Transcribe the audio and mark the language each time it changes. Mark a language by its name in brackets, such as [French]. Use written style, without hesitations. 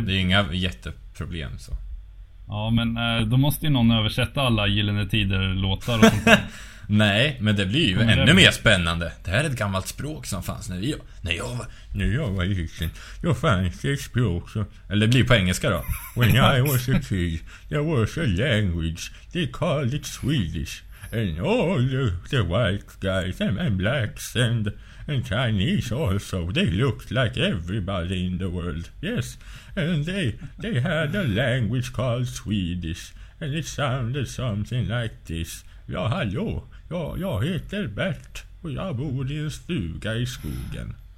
[Swedish] det är inga jätteproblem så. Ja, men då måste ju någon översätta alla Gyllene Tider låtar och sånt. Nej, men det blir ju kommer ännu mer spännande. Det här är ett gammalt språk som fanns när jag var yngre. Jag fanns ett språk som, eller det blir på engelska då. [English] When I was a kid, there was a language, they called it Swedish. And all the white guys and blacks and Chinese also, they looked like everybody in the world. Yes, and they had a language called Swedish, and it sounded something like this. [Swedish] Ja, hallå. Jag heter Bert och jag bor i en stuga i skogen.